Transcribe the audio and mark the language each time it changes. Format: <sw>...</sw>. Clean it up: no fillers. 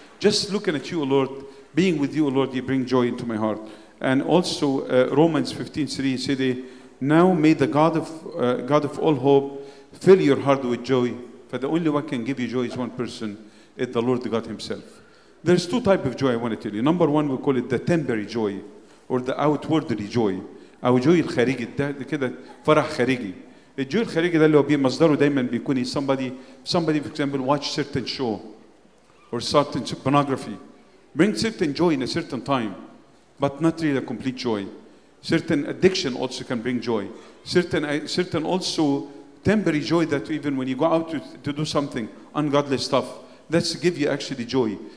<en>Just looking at you, O Lord, being with you, O Lord, you bring joy into my heart. And also Romans 15:3 said, Now may the God of all hope fill your heart with joy. For the only one can give you joy is one person, it's the Lord God Himself. There's two types of joy I want to tell you. Number one, we call it the temporary joy or the outwardly joy.</en> <ar>أو جوي الخارجي ده كده فرح خارجي. الجوي الخارجي ده اللي هو مصدره دايما بيكون</ar> <en>somebody for example watch certain show or certain pornography bring certain joy in a certain time but not really a complete joy. Certain addiction also can bring joy. Certain also temporary joy that even when you go out to do something ungodly stuff that's give you actually joy.</en>